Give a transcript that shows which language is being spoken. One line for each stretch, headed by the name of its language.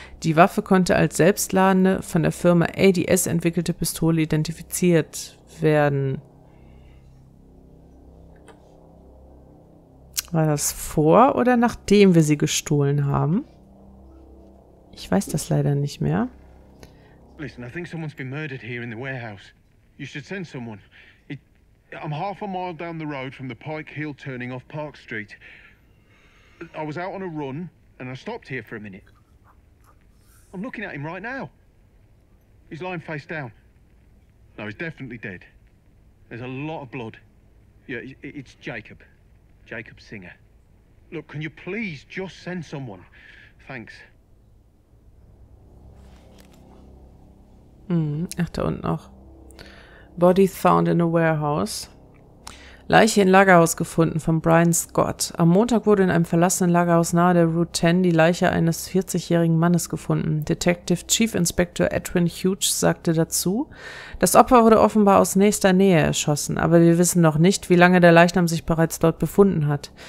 German: Die Waffe konnte als selbstladende, von der Firma ADS entwickelte Pistole identifiziert werden. War das vor oder nachdem wir sie gestohlen haben? Ich weiß das leider nicht mehr.
English: Listen, I think someone's been murdered here in the warehouse. You should send someone. I'm half a mile down the road from the Pike Hill turning off Park Street. I was out on a run and I stopped here for a minute. I'm looking at him right now. He's lying face down. No, he's definitely dead. There's a lot of blood. Yeah, it's Jacob. Jacob Singer. Look, can you please just send someone? Thanks.
German: Ach, da unten auch.
English: Body found in a warehouse.
German: Leiche in Lagerhaus gefunden von Brian Scott. Am Montag wurde in einem verlassenen Lagerhaus nahe der Route 10 die Leiche eines 40-jährigen Mannes gefunden. Detective Chief Inspector Edwin Hughes sagte dazu, das Opfer wurde offenbar aus nächster Nähe erschossen, aber wir wissen noch nicht, wie lange der Leichnam sich bereits dort befunden hat.